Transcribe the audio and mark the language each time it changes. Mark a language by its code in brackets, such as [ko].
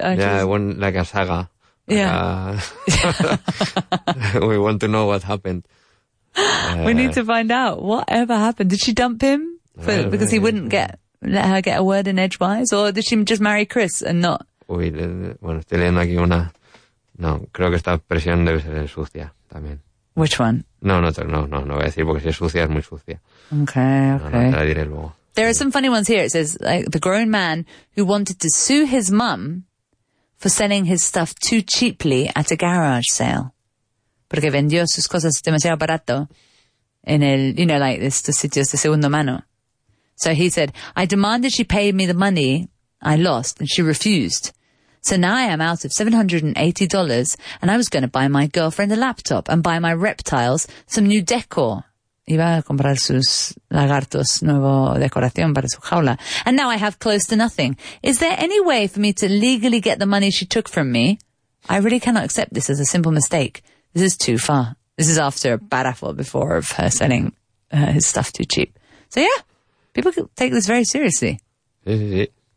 [en] Yeah, just... one like a saga. Yeah. We want to know what happened. We need to find out. Whatever happened? Did she dump him? Because he wouldn't let her get a word in edgewise? Or did she just marry Chris and not? [es] Uy, bueno, estoy leyendo aquí una. No, creo que esta expresión debe ser sucia también. [en] Which one? [es] No, voy a decir porque si es sucia, es muy sucia. [en] Okay. [es] No, te la diré luego. [en] There are some funny ones here. It says, like, the grown man who wanted to sue his mum for selling his stuff too cheaply at a garage sale. [es] Porque vendió sus cosas demasiado barato en el, [en] you know, like this, the [es] sitios de segunda mano. [en] So he said, I demanded she pay me the money I lost and she refused. So now I am out of $780 and I was going to buy my girlfriend a laptop and buy my reptiles some new decor. [es] Iba a comprar sus lagartos nuevo decoración para su jaula. [en] And now I have close to nothing. Is there any way for me to legally get the money she took from me? I really cannot accept this as a simple mistake. This is too far. This is after a baraffle before of her selling his stuff too cheap. So yeah, people can take this very seriously. [es] Sí.